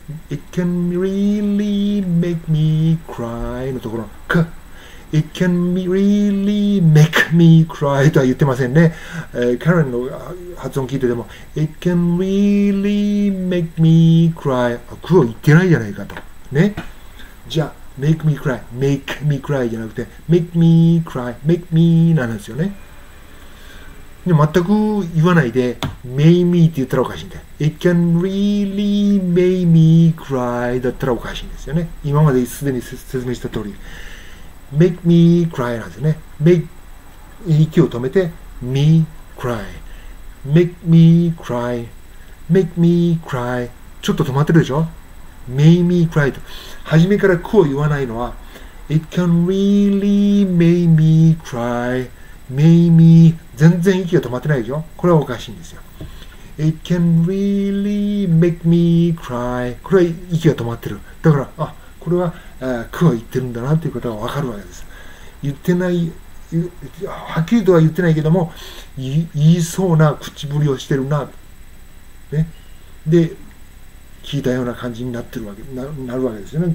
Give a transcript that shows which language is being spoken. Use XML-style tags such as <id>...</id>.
<en>It can really make me cry</en> <ja>のところ、く</ja> <en>It can really make me cry</en> <ja>とは言ってませんね。カレンの発音聞いてても</ja> <en>It can really make me cry、</en> <ja>クを言ってないじゃないかとね。じゃあ</ja> <en>make me cry、 make me cry</en> <ja>じゃなくて</ja> <en>make me cry、 make me</en> <ja>なんですよね。で全く言わないで</ja> <en>make me</en> <ja>って言ったらおかしいんで、</ja> <en>It can really make me cry</en> <ja>だったらおかしいんですよね。今まですでに説明した通り</ja> <en>Make me cry</en> <ja>なんですね。息を止めて</ja> <en>me cry、 make me cry、 make me cry、</en> <ja>ちょっと止まってるでしょ。</ja> <en>make me cry</en> <ja>と初めからこう言わないのは</ja> <en>It can really make me cry、 make me、</en> <ja>全然息が止まってないでしょ。これはおかしいんですよ。</ja> <en>It can really make me cry、</en> <ja>これは息が止まってる。だからあ、これはくを言ってるんだなということが分かるわけです。言ってない、はっきりとは言ってないけども言いそうな口ぶりをしてるな、ね、で聞いたような感じになってるわけ、 なるわけですよね。</ja>